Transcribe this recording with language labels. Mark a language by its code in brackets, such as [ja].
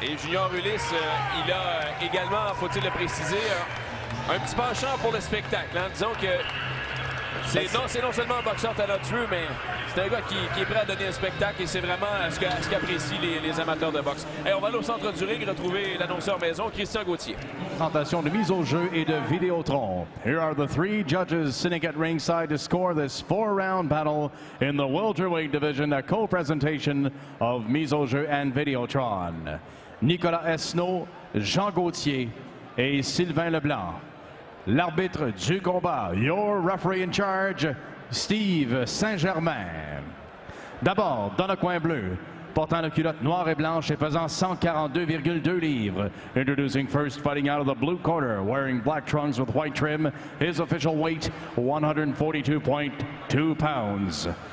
[fr] Et Junior Ulysse, il a également, faut-il le préciser, un petit penchant pour le spectacle. Hein? Disons que c'est non seulement un boxeur talentueux, mais c'est un gars qui est prêt à donner un spectacle et c'est vraiment ce qu'apprécient les amateurs de boxe. Hey, on va aller au centre du ring retrouver l'annonceur maison, Christian Gauthier. Présentation de mise au jeu et de Vidéotron. [en] Here are the 3 judges sitting at ringside to score this 4-round battle in the welterweight division, a co-presentation of mise au jeu and Vidéotron. [fr] Nicolas Esnault, Jean Gauthier et Sylvain Leblanc. L'arbitre du combat, [en] your referee in charge, Steve Saint-Germain. [fr] D'abord, dans le coin bleu, portant la culotte noire et blanche et pesant 142,2 livres. [en] Introducing first, fighting out of the blue corner, wearing black trunks with white trim, his official weight, 142.2 pounds.